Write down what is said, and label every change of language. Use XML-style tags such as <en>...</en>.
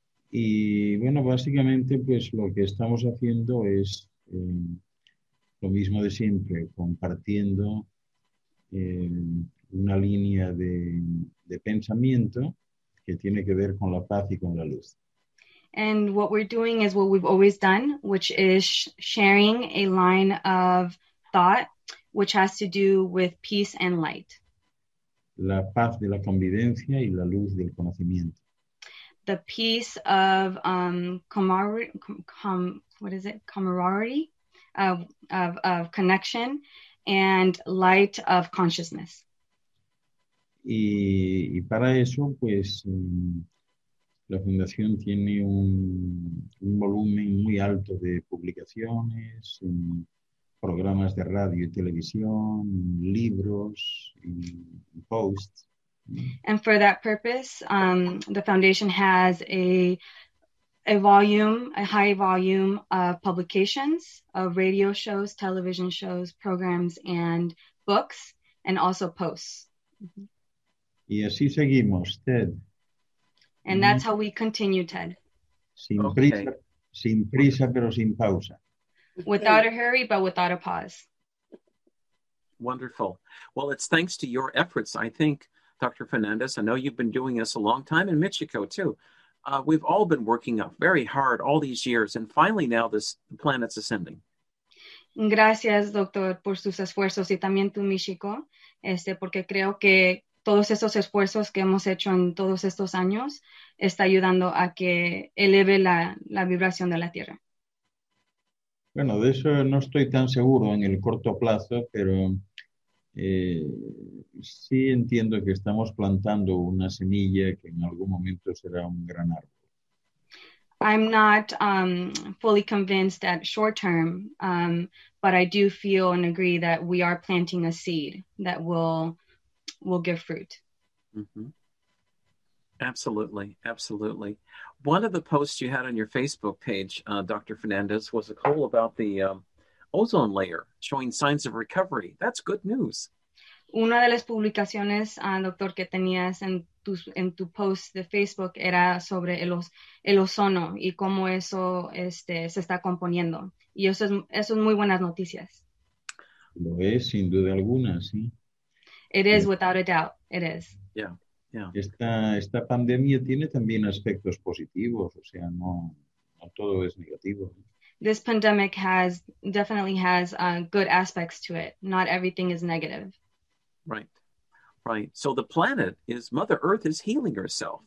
<es>Y bueno, básicamente pues lo que estamos haciendo es lo mismo de siempre, compartiendo una línea de pensamiento que tiene que ver con la paz y con la luz.</es> <en>And what we're doing is what we've always done, which is sharing a line of thought, which has to do with peace and light.</en> <es>La paz de la convivencia y la luz del conocimiento.</es> <en>The peace of camaraderie, of connection, and light of consciousness.</en> <es>Y para eso, pues... La fundación tiene un volumen muy alto de publicaciones, en programas de radio y televisión, libros, posts.</es> <en>And for that purpose, the foundation has a volume, a high volume of publications, of radio shows, television shows, programs, and books, and also posts.</en> <es>Y así seguimos, Ted.</es> <en>And that's how we continue, Ted.</en> <es>Sin prisa, okay. Sin prisa, pero sin pausa.</es> <en>Without a hurry, but without a pause. Wonderful. Well, it's thanks to your efforts, I think, Dr. Fernandez. I know you've been doing this a long time, and Michiko, too. We've all been working up very hard all these years, and finally now this planet's ascending.</en> <es>Gracias, doctor, por sus esfuerzos, y también tú, Michiko, porque creo que todos estos esfuerzos que hemos hecho en todos estos años está ayudando a que eleve la vibración de la Tierra. Bueno, de eso no estoy tan seguro en el corto plazo, pero sí entiendo que estamos plantando una semilla que en algún momento será un gran árbol.</es> <en>I'm not fully convinced at short term, but I do feel and agree that we are planting a seed that will give fruit. Mm-hmm. Absolutely, absolutely. One of the posts you had on your Facebook page, Dr. Fernandez, was a call about the ozone layer showing signs of recovery. That's good news.</en> <es>Una de las publicaciones, doctor, que tenías en tu post de Facebook era sobre el ozono y cómo eso se está componiendo. Y eso es muy buenas noticias. Lo es, sin duda alguna, sí.</es> <en>It is, without a doubt, it is. Yeah.</en> <es>Esta pandemia tiene también aspectos positivos, o sea, no todo es negativo.</es> <en>This pandemic definitely has good aspects to it. Not everything is negative. Right, right. So the planet is, Mother Earth is healing herself.</en>